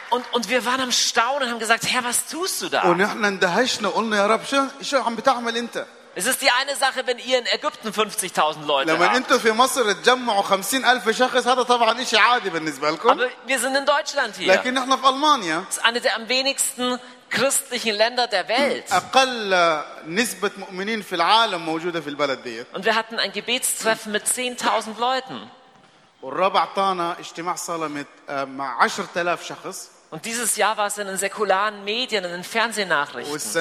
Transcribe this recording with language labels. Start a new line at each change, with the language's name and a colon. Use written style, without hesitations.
German: Und wir waren am Staunen und haben gesagt, Herr, was tust du da? Und wir haben gedacht, Herr, was tust du da? Es ist die eine Sache, wenn ihr in Ägypten 50.000 Leute habt.
Arabic: لما انتم في مصر تجمعوا 50.000 شخص هذا طبعا شيء عادي بالنسبه لكم.
German: Aber wir sind in Deutschland hier.
Arabic: لكن احنا في المانيا.
German: Es ist eine der am wenigsten christlichen Länder der Welt.
Arabic: اقل نسبه مؤمنين في العالم موجوده في البلد دي.
German: Und wir hatten ein Gebetstreffen mit 10.000 Leuten.
Arabic: والرب اعطانا اجتماع صلاه مع 10.000 شخص.
German: Und dieses Jahr war es in den säkularen Medien, in den Fernsehnachrichten.